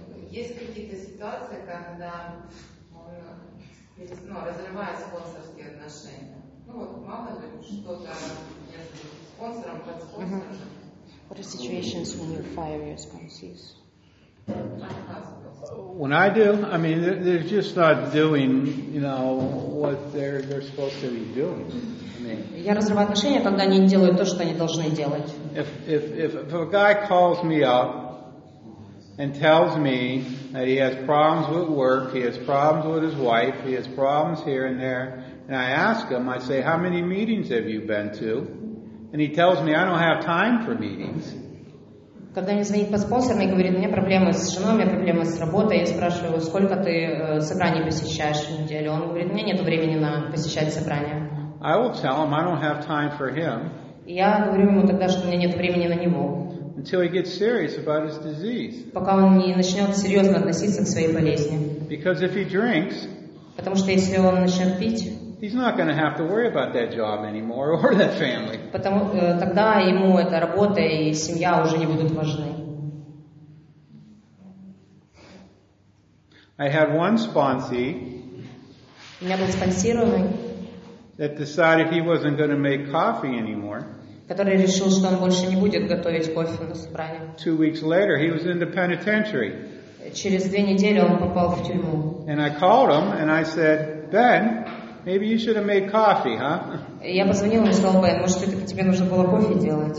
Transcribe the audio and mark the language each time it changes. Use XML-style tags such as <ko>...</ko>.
<ru>Есть какие-то ситуации, когда разрывает спонсорские отношения. Ну вот, мало ли, что-то между спонсором, под спонсором.</ru> <en>What are situations when you fire your sponsors? When I do, I mean, they're just not doing, you know, what they're supposed to be doing.</en> <ru>Я разрываю отношения, когда они не делают то, что они должны делать.</ru> <en>If a guy calls me up and tells me that he has problems with work, he has problems with his wife, he has problems here and there, and I ask him, I say, how many meetings have you been to? And he tells me, I don't have time for meetings.</en> <ru>Когда мне звонит по спонсорам и говорит, у меня проблемы с женой, у меня проблемы с работой, я спрашиваю, сколько ты собраний посещаешь в неделю? Он говорит, у меня нет времени на посещать собрания.</ru> <en>I will tell him I don't have time for him.</en> <ru>Я говорю ему тогда, что у меня нет времени на него.</ru> <en>Until he gets serious about his disease.</en> <ru>Пока он не начнет серьезно относиться к своей болезни.</ru> <en>Because if he drinks,</en> <ru>потому что если он начнет пить,</ru> <en>he's not going to have to worry about that job anymore or that family.</en> <ru>Потому тогда ему эта работа и семья уже не будут важны.</ru> <en>I had one sponsee.</en> <ru>У меня был спонсированный.</ru> <en>That decided he wasn't going to make coffee anymore.</en> <ru>Который решил, что он больше не будет готовить кофе на собрании.</ru> <en>2 weeks later, he was in the penitentiary.</en> <ru>Через 2 недели он попал в тюрьму.</ru> <en>And I called him and I said, Ben, maybe you should have made coffee, huh?</en> <ru>Я позвонил ему и сказал, Бен, может, это тебе нужно было кофе делать?</ru>